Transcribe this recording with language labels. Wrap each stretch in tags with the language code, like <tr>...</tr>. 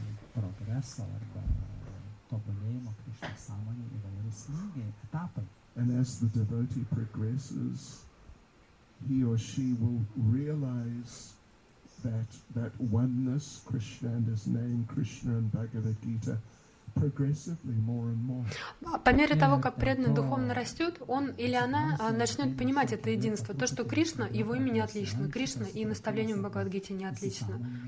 <ru>Прогресса,</ru> <lt>arba tobulėjimo Krišna sąmonė įvairūs lygiai, etapai.</lt> <en>And as the devotee progresses, he or she will realize that that oneness, Krishna and his name, Krishna and Bhagavad Gita, progressively more and more.</en> <ru>По мере того, как преданный духовно растет, он или она начнет понимать это единство, то, что Кришна, его имя не отлично, Кришна и наставление Бхагавад Гите не отлично.</ru>